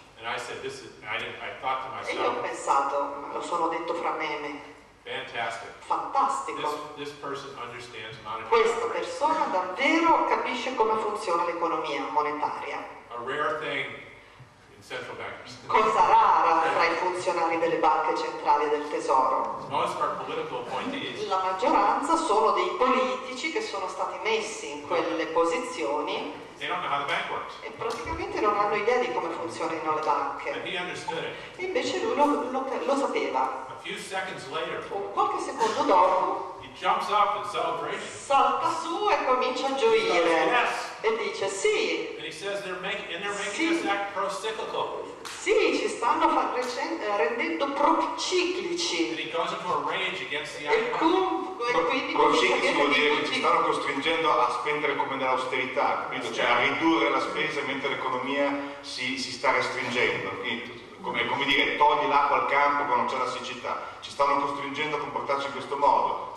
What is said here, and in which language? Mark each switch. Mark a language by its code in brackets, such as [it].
[en] And I said, this is, I thought to myself, [it] e io ho pensato, lo sono detto fra me e me, [en] fantastic. [it] Fantastico. [en] This person understands monetary policy. [it] Questa persona davvero capisce come funziona l'economia monetaria. [en] A rare thing in central bankers. [it] Cosa rara tra i funzionari delle banche centrali del tesoro. [en] Most of our political appointees. [it] La maggioranza sono dei politici che sono stati messi in quelle posizioni. [en] They don't know how the bank works. [it] E praticamente non hanno idea di come funzionino le banche. [en] And he understood it. [it] E invece lui lo sapeva. [en] A few seconds later, [it] qualche secondo dopo, [en] he jumps up in celebration. [it] Salta su e comincia a gioire. [en] Yes. [it] E dice sì. [en] And he says they're making this act pro-cyclical. [it] Sì, ci stanno rendendo prociclici. [en] And he goes into a rage against the [it] prociclici vuol dire che ci stanno costringendo a spendere come nell'austerità, capito? Cioè a ridurre la spesa mentre l'economia si sta restringendo. Come dire, togli l'acqua al campo quando c'è la siccità. Ci stanno costringendo a comportarci in questo modo.